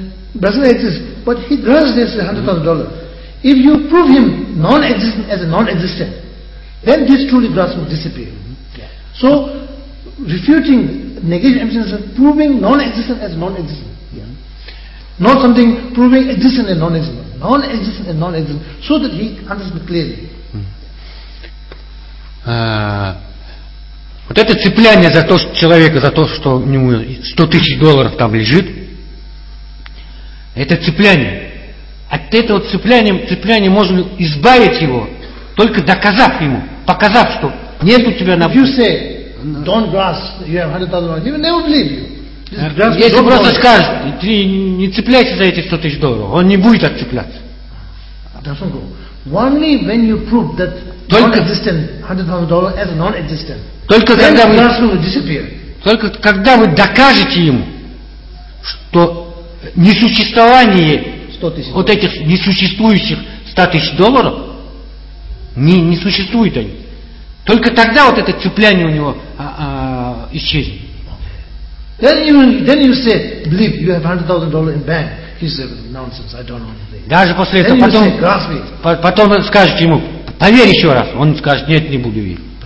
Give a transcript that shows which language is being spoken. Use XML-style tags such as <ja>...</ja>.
<en>Doesn't exist, but he grasps this $100,000. If you prove him non-existent as a non-existent, then this truly grasp will disappear. So, refuting negation emptiness and proving non-existent as non-existent. Not something proving existent and non-existent. Non-existent and non-existent, so that he understands clearly.</en> <ru>Вот это цепляние за то, что человека, за то, что у него $100,000 там лежит. Это цепляние. От этого цепляния можно избавить его только доказав ему, показав, что нет у тебя на пути.</ru> <en>You say, don't grasp, you have 100,000 dollars, even they will believe you.</en> <ru>Если он просто скажет, ты не цепляйся за эти 100 тысяч долларов, он не будет отцепляться.</ru> <en>Only when you prove that non-existent 100,000 dollars as non-existent,</en> <ru>только когда вы,</ru> <en>will disappear.</en> <ru>Только когда вы докажете ему, что несуществование вот этих несуществующих 100 тысяч долларов, не существуют они, только тогда вот это цепляние у него исчезнет.</ru> <en>Then you say, believe you have $100,000 in bank. He said, nonsense. I don't know anything.</en> <ru>Даже после этого потом, потом скажете ему, поверь еще раз. Он скажет, нет, не буду верить.</ru>